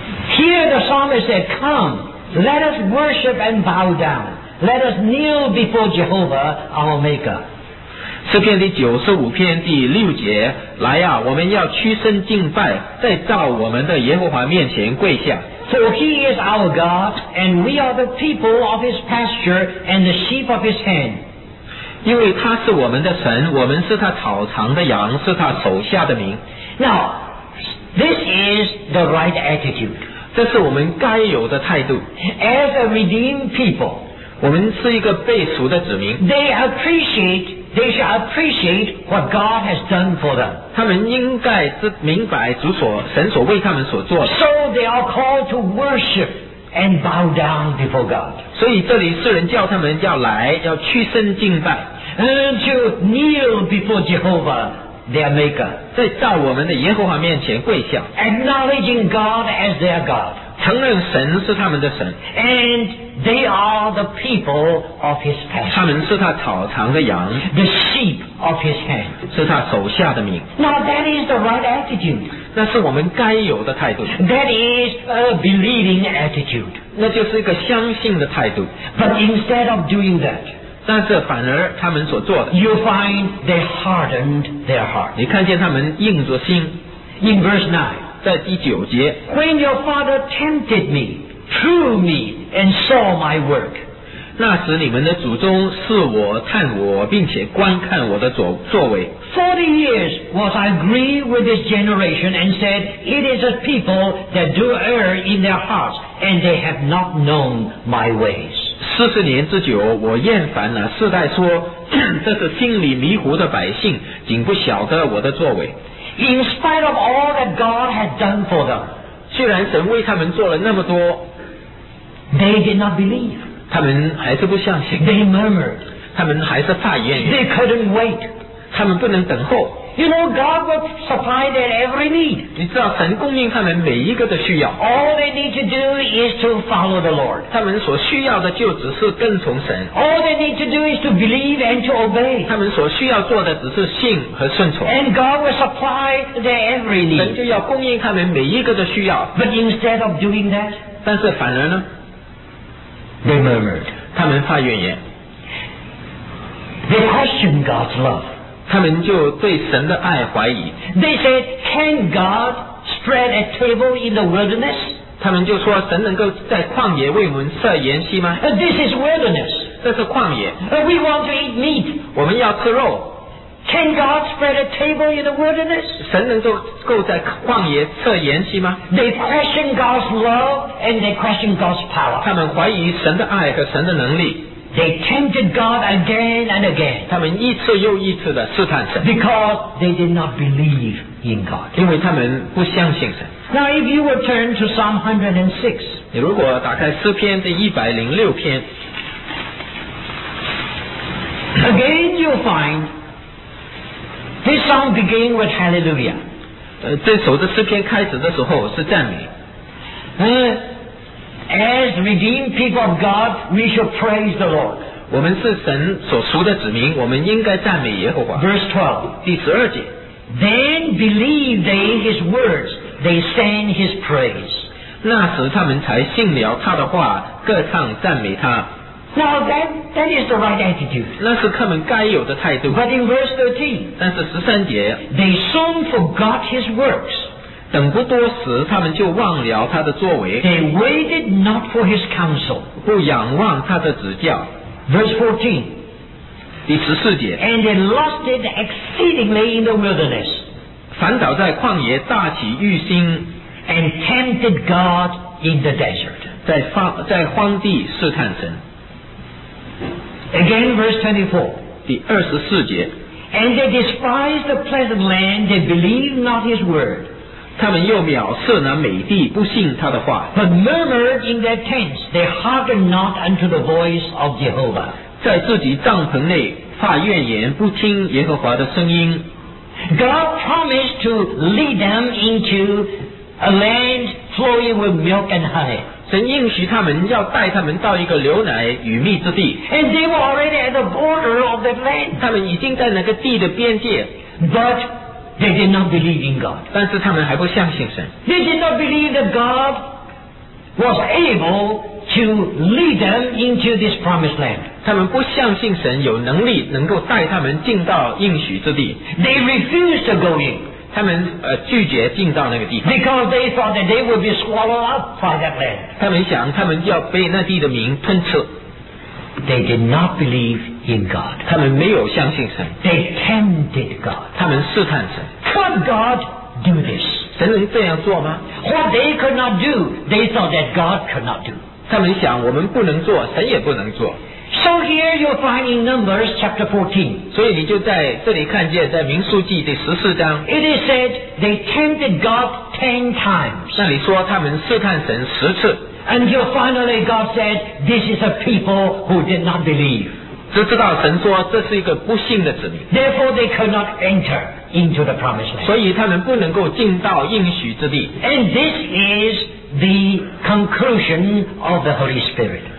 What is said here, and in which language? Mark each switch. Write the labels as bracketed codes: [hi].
[en] Here the psalmist said, Come, let us worship and bow down. Let us kneel before Jehovah, our Maker. [zh] 诗篇第九十五篇第六节，来啊，我们要屈身敬拜，在造我们的耶和华面前跪下。 [en] For he is our God, and we are the people of his pasture and the sheep of his hand. [zh] 因为他是我们的神，我们是他草场的羊，是他手下的民。 [en] Now, this is the right attitude. [zh] 这是我们该有的态度。 [en] As a redeemed people, [zh] 我们是一个被赎的子民。 [en] They should appreciate what God has done for them. [zh] 他们应该明白神所为他们所做的。 [en] So they are called to worship and bow down before God. [zh] 所以这里世人叫他们要来，要屈身敬拜。 [en] And to kneel before Jehovah. Their maker, [zh] 在造我们的耶和华面前跪下 [en] acknowledging God as their God, [zh] 承认神是他们的神 [en] and they are the people of his pasture, [zh] 他们是他草场的羊 [en] the sheep of his hand, [zh] 是他手下的民 [en] Now that is the right attitude, [zh] 那是我们该有的态度 [en] That is a believing attitude, [zh] 那就是一个相信的态度 [en] But instead of doing that, [zh] 但是反而他们所做的 [en] You find they hardened their heart [zh] 你看见他们硬着心 [en] In verse 9 [zh] 在第九节 [en] When your father tempted me threw me and saw my work [zh] 那时你们的祖宗试我探我并且观看我的作为 [en] 40 years was I grieved with this generation and said it is a people that do err in their hearts and they have not known my ways [zh] 四十年之久我厌烦了世代说这是心里迷糊的百姓仅不晓得我的作为 [en] In spite of all that God had done for them [zh] 虽然神为他们做了那么多 [en] They did not believe [zh] 他们还是不相信 [en] They murmured [zh] 他们还是发怨 [en] They couldn't wait [zh] 他们不能等候 [en] You know God will supply their every need [zh] 你知道神供应他们每一个的需要 [en] All they need to do is to follow the Lord [zh] 他们所需要的就只是跟从神 [en] All they need to do is to believe and to obey [zh] 他们所需要做的只是信和顺从 [en] And God will supply their every need [zh] 神就要供应他们每一个的需要 [en] But instead of doing that [zh] 但是反而呢 [en] They murmured [zh] 他们发怨言 [en] They questioned God's love [zh] 他们就对神的爱怀疑 [en] They said, can God spread a table in the wilderness? [zh] 他们就说神能够在旷野为我们设筵席吗 [en] This is wilderness [zh] 这是旷野 [en] We want to eat meat [zh] 我们要吃肉 [en] Can God spread a table in the wilderness? [zh] 神能够在旷野设筵席吗 [en] They question God's love and they question God's power [zh] 他们怀疑神的爱和神的能力 [en] They tempted God again and again. [zh] 他们一次又一次的试探神。 [en] Because they did not believe in God. [zh] 因为他们不相信神。 [en] Now, if you would turn to Psalm 106. [zh] 你如果打开诗篇第一百零六篇。 [en] Again, you'll find this song begin with Hallelujah. [zh] 这首的诗篇开始的时候是赞美。 [en] As redeemed people of God, we shall praise the Lord. [zh] 我们是神所赎的子民，我们应该赞美耶和华。 [en] Verse 12, [zh] 第十二节。 [en] Then believed they his words, they sang his praise. [zh] 那时他们才信了他的话，歌唱赞美他。 [en] Now that is the right attitude. [zh] 那是他们该有的态度。 [en] But in verse 13, [zh] 但是十三节。 [en] They soon forgot his works. [zh] 等不多时他们就忘了他的作为 [en] They waited not for his counsel [zh] 不仰望他的指教 [en] Verse 14 [zh] 第十四节 [en] And they lusted exceedingly in the wilderness [zh] 反倒在旷野大起欲心 [en] And tempted God in the desert [zh] 在荒地试探神 [en] Again verse [zh] 24第二十四节 [en] And they despised the pleasant land They believed not his word [zh] 他们又藐视那美地，不信他的话。 [en] But murmured in their tents, they hearkened not unto the voice of Jehovah. [zh] 在自己帐篷内发怨言，不听耶和华的声音。 [en] God promised to lead them into a land flowing with milk and honey. [zh] 神应许他们要带他们到一个流奶与蜜之地。 [en] And they were already at the border of the land. [zh] 他们已经在那个地的边界。 [en] But they did not believe in God. [zh] 但是他们还不相信神。 [en] They did not believe that God was able to lead them into this promised land. [zh] 他们不相信神有能力能够带他们进到应许之地。 [en] They refused to go in. [zh] 他们拒绝进到那个地方。 [en] Because they thought that they would be swallowed up by that land. [zh] 他们想他们要被那地的民吞吃。 [en] They did not believe in God. [zh] 他们没有相信神。 [en] They tempted God. [zh] 他们试探神。 [en] Could God do this? [zh] 神能这样做吗？ [en] What they could not do, they thought that God could not do. [zh] 他们想我们不能做，神也不能做。 [en] So here you find in Numbers chapter 14. [zh] 所以你就在这里看见，在民数记第十四章。 [en] It is said they tempted God 10 times. [zh] 那里说他们试探神十次。 [en] Until finally God said, "This is a people who did not believe." [zh] 只知道神说这是一个不信的子民。 [en] Therefore they could not enter into the promised land. [zh] 所以他们不能够进到应许之地。 [en] And this is the conclusion of the Holy Spirit.